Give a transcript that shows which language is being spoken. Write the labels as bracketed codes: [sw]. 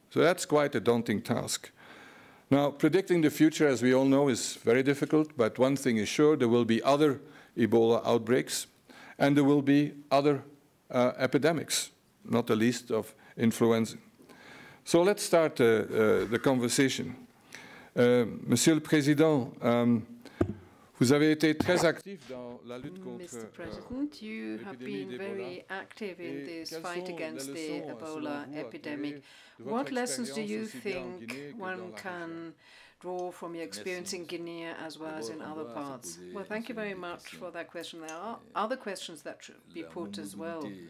[en] So that's quite a daunting task. Now, predicting the future, as we all know, is very difficult, but one thing is sure, there will be other Ebola outbreaks, and there will be other epidemics, not the least of influenza. So let's start the conversation. [fr] Monsieur le Président, vous avez été très actif dans la lutte contre, [en] Mr. President, you have been very active in this fight against the Ebola epidemic. What lessons do you think one can draw from your experience in Guinea as well as in other parts? Well, thank you very much for that question. There are other questions that should be put as well.